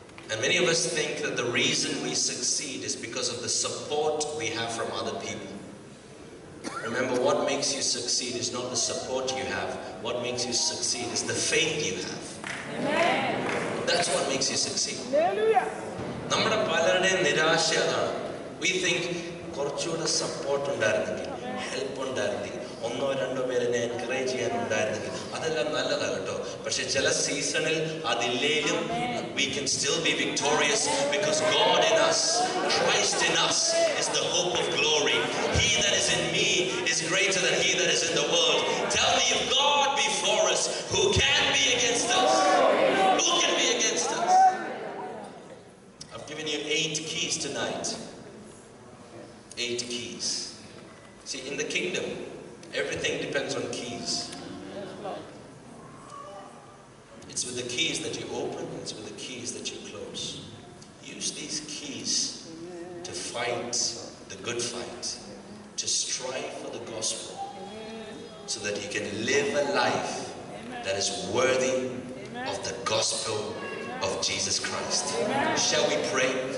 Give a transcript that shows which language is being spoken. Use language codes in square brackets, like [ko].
[en] And many of us think that the reason we succeed is because of the support we have from other people. Remember, what makes you succeed is not the support you have. What makes you succeed is the faith you have. Amen. That's what makes you succeed. Hallelujah. [ml] നമ്മുടെ പലരുടെ നിരാശ അതാണ്. [en] We think [ml] കുറച്ചുകൂടെ support ഉണ്ടായിരുന്നെങ്കിൽ, help ഉണ്ടായിരുന്നെങ്കിൽ, ഒന്നോ രണ്ടോ പേരെന്നെ encourage ചെയ്യാനുണ്ടായിരുന്നെങ്കിൽ, അതെല്ലാം നല്ലതാണ് കേട്ടോ. പക്ഷെ ചില സീസണിൽ അതില്ലെങ്കിലും [en] We can still be victorious because God in us Christ in us is the hope of glory he that is in me is greater than he that is in the world tell me if God be for us who can be against us who can be against us I've given you 8 keys tonight 8 keys see in the kingdom Everything depends on keys. It's with the keys that you open, it's with the keys that you close. Use these keys to fight the good fight, to strive for the gospel, so that you can live a life that is worthy of the gospel of Jesus Christ. Shall we pray?